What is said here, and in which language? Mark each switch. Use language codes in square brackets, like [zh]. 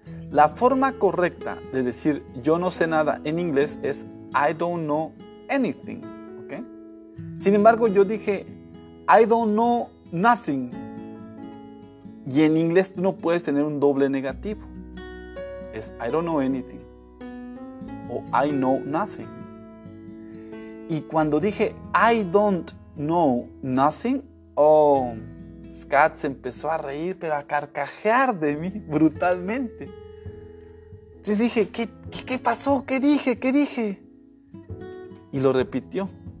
[es] La forma correcta de decir yo no sé nada en inglés es [en] I don't know anything, [es] ¿ok? Sin embargo, yo dije [en] I don't know nothing. [es] Y en inglés tú no puedes tener un doble negativo. Es [en] I don't know anything [es] o [en] I know nothing. [es] Y cuando dije [en] I don't know nothing, [es] oh, Scott se empezó a reír, pero a carcajear de mí brutalmente. Entonces dije, ¿qué pasó? ¿Qué dije? Y lo repitió.